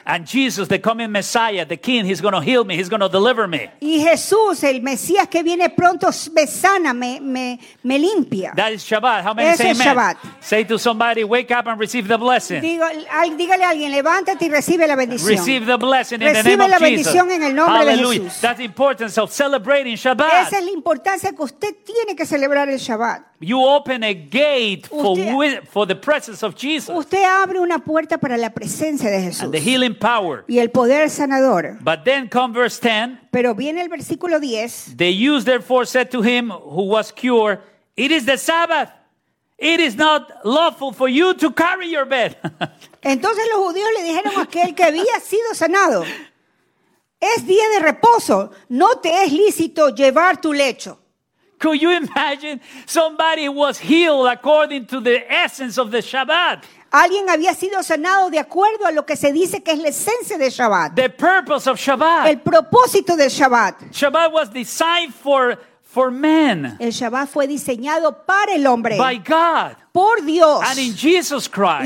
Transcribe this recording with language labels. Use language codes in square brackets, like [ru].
[en] And Jesus, the coming Messiah, the King, he's going to heal me, he's going to deliver me. [es] Y Jesús, el Mesías que viene pronto, me sana, me limpia. [en] That is Shabbat. How many [es] ese [en] say amen? Shabbat. Say to somebody, wake up and receive the blessing. [es] Dígale a alguien, levántate y recibe la bendición. [en] Receive the blessing in [es] recibe [en] the name [es] la [en] of [es] bendición [en] Jesus. [es] En el nombre [en] Hallelujah. [es] De Jesús. [en] That's the importance of celebrating Shabbat. [es] Esa es la importancia que usted tiene que celebrar el Shabbat. [en] You open a gate for the presence of Jesus. [es] Usted abre una puerta para la presencia de Jesús. [en] And the healing power. [es] Y el poder sanador. [en] But then come verse 10. [es] Pero viene el versículo 10. [en] The Jews therefore said to him who was cured, "It is the Sabbath. It is not lawful for you to carry your bed." [es] Entonces los judíos le dijeron a aquel que había sido sanado, es día de reposo, no te es lícito llevar tu lecho. [en] Could you imagine somebody was healed according to the essence of the Shabbat? [es] Alguien había sido sanado de acuerdo a lo que se dice que es la esencia de Shabbat. [en] The purpose of Shabbat. [es] El propósito del Shabbat. [en] Shabbat was designed for men. [es] El Shabbat fue diseñado para el hombre. [en] By God. [es] Por Dios. [en] And in Jesus Christ.